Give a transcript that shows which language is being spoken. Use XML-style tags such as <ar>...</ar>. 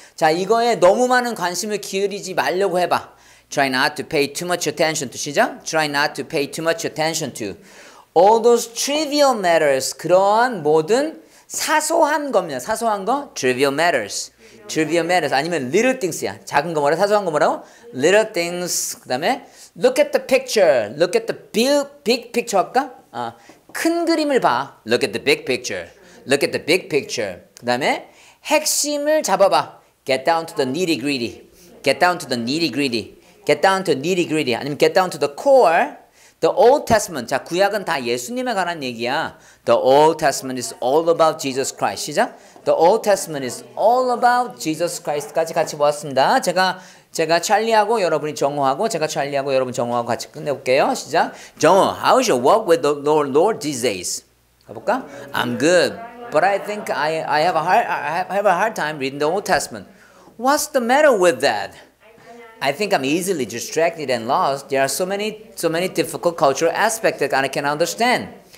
<ko>자, 이거에 너무 많은 관심을 기울이지 말려고 해봐.</ko> <en>Try not to pay too much attention to.</en> <ko>시작.</ko> <en>Try not to pay too much attention to. All those trivial matters.</en> <ko>그러한 모든 사소한 겁니다. 사소한 거.</ko> <en>Trivial matters. Trivial matters</en> <ko>아니면 little things야. 작은 거 뭐라? 사소한 거 뭐라고?</ko> <en>Little things. 그 다음에 look at the picture. Look at the big picture 할까?</en> <ko>큰 그림을 봐.</ko> <en>Look at the big picture. Look at the big picture.</en> <ko>그 다음에 핵심을 잡아봐.</ko> <en>Get down to the nitty gritty. Get down to the nitty gritty. Get down to nitty gritty. 아니면 get down to the core. The Old Testament.</en> <ko>자, 구약은 다 예수님에 관한 얘기야.</ko> <en>The Old Testament is all about Jesus Christ. 시작. The Old Testament is all about Jesus Christ</en> <ko>까지 같이 보았습니다. 제가 찰리하고 여러분이 정호하고 제가 찰리하고 여러분 정호하고 같이 끝내볼게요. 시작.</ko> <en>정호, how is your walk with the Lord these days?</en> <ko>가볼까?</ko> <en>I'm good, but I think I have a hard time reading the Old Testament. What's the matter with that? I think I'm easily distracted and lost. There are so many difficult cultural aspects that I can't understand.</en>